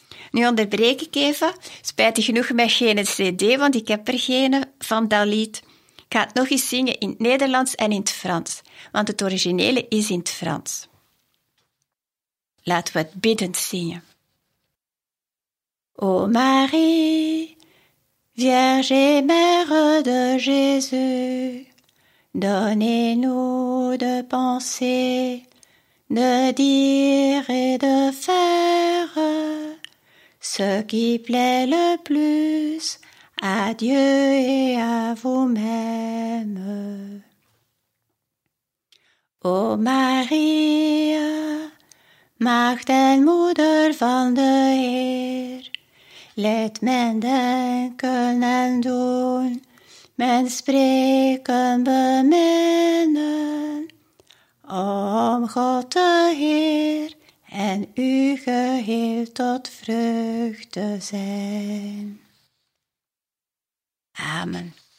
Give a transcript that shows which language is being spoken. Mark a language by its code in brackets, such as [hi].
[nl] Nu onderbreek ik even, spijtig genoeg met geen cd, want ik heb er geen van dat lied. Ik ga het nog eens zingen in het Nederlands en in het Frans, want het originele is in het Frans. Laten we het biddend zingen. [fr] Ô Marie, Vierge et Mère de Jésus, donnez-nous de penser, de dire et de faire ce qui plaît le plus à Dieu et à vous-même. [nl] Ô Marie, Magd en Moeder van de Heer, laat men denken en doen, men spreken beminnen, om God de Heer en u geheel tot vreugde te zijn. Amen.